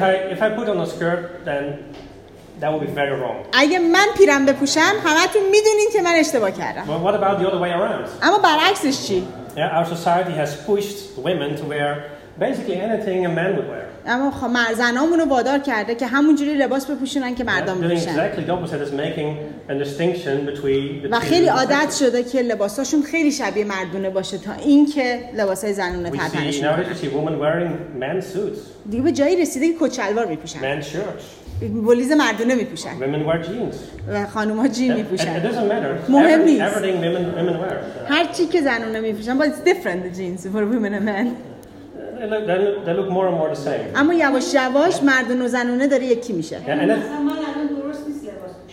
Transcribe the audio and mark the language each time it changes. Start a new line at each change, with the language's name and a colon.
English: If I put on a skirt, then that would be very wrong.
Persian: اگه من پیرهن بپوشم، همتون میدونین که من اشتباه کردم.
English: But what about the other way around?
Persian: اما برعکسش چی؟
English: Yeah, our society has pushed women to wear basically anything a man would wear.
Persian: اما خواهر زنامونو وادار کرده که همونجوری لباس بپوشونن که مردان بپوشن.
English: Doing exactly the opposite is making a distinction between the two.
Persian: و خیلی عادت شده که لباساشون خیلی شبیه مردونه باشه تا اینکه لباسای زنونه تنشون.
English: We see now women wearing men's suits.
Persian: دیگه به جایی رسیده که کچلوار میپوشن.
English: Men's shirts.
Persian: بلیز مردونه میپوشن.
English: Women wear jeans.
Persian: و خانوم ها جین میپوشن.
English: It doesn't matter.
Persian: مهم نیست.
English: Everything women wear.
Persian: هر چی که زنونه میپوشن.
English: But it's different, the jeans, for women and men. They look more and more the same.
Persian: اما یواش یواش مردون و زنونه داره یکی میشه. مثلا من الان درست نیست لباس